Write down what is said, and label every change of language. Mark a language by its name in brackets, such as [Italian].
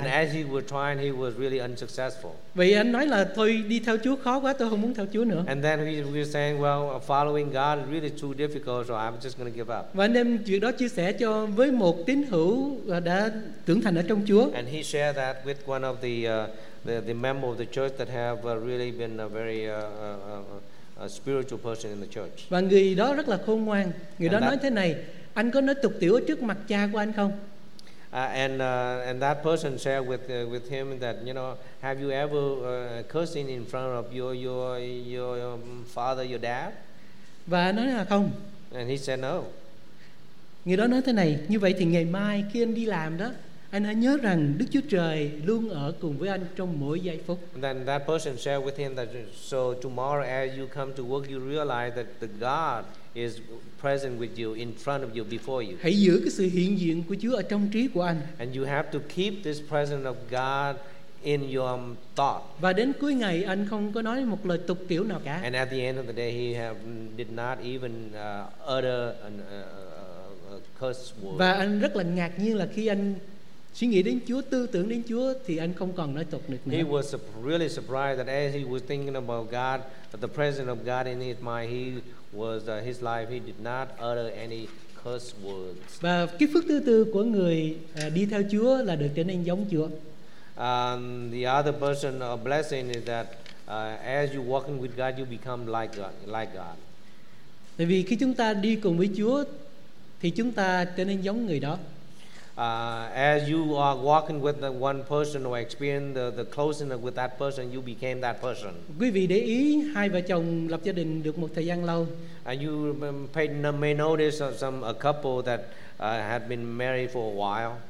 [English] And as he was trying, he was really unsuccessful. [Vietnamese] Vậy anh nói là thôi đi theo Chúa khó quá, tôi không muốn theo Chúa nữa. [English] And then he was saying, well, following God is really too difficult, so I'm just going to give up. [Vietnamese] Và anh em chuyện đó chia sẻ cho với một tín hữu đã trưởng thành ở trong Chúa. [English] And he shared that with one of the member of the church that have really been a very a spiritual person in the church. [Vietnamese] Và người đó rất là khôn ngoan. Người đó nói thế này: anh có nói tục tiểu trước mặt cha của anh không? [English] And that person shared with him that, you know, have you ever cursing in front of your father, your dad? [Vietnamese] Và anh nói là không. [English] And he said no. [Vietnamese] Người đó nói thế này: như vậy thì ngày mai khi anh đi làm đó, anh hãy nhớ rằng Đức Chúa Trời luôn ở cùng với anh trong mỗi giây phút. [English] And then that person shared with him that so tomorrow as you come to work, you realize that the God is present with you, in front of you, before you. [Vietnamese] Hãy giữ cái sự hiện diện của Chúa ở trong trí của anh. [English] And you have to keep this presence of God in your thought. [Vietnamese] Và đến cuối ngày anh không có nói một lời tục tiểu nào cả. [English] And at the end of the day, he did not even utter a curse word. [Vietnamese] Và anh rất là ngạc nhiên là khi anh suy nghĩ đến Chúa, tư tưởng đến Chúa thì anh không còn nói tục được nữa. [English] He was really surprised that as he was thinking about God, the presence of God in his mind, he was his life, he did not utter any curse words. [Vietnamese] Và cái phước thứ tư của người đi theo Chúa là được trở nên giống Chúa. [English] The other person a blessing is that as you walking with God, you become like God. [Vietnamese] Tại vì khi chúng ta đi cùng với Chúa thì chúng ta trở nên giống người đó. [English] As you are walking with the one person or experience the closeness with that person, you became that person. [Vietnamese] Quý vị để ý hai vợ chồng lập gia đình được một thời gian lâu. [English] And you may notice a couple that had been married for a while.